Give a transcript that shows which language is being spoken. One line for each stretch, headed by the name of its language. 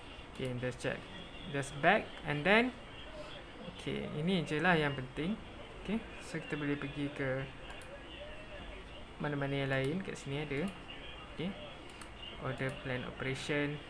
English: Okay, just check, just back. And then okay,
Malay: ini je lah yang penting. Okay, so kita boleh pergi ke mana-mana yang lain. Kat sini ada.
English: Okay, order plan operation.